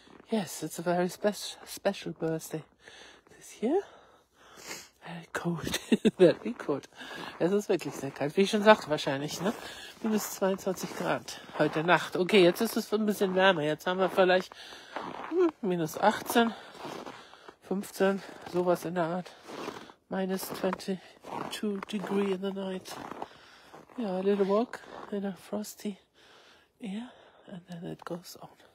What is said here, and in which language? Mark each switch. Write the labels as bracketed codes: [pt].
[en] Yes, it's a very special birthday this year. Very cold. Very cold. [de] Es ist wirklich sehr kalt, wie ich schon sagte, wahrscheinlich, ne? Minus 22 Grad heute Nacht. Okay, jetzt ist es ein bisschen wärmer. Jetzt haben wir vielleicht minus 18, 15, sowas in der Art. [en] Minus 22 degree in the night. Yeah, a little walk in a frosty air and then it goes on.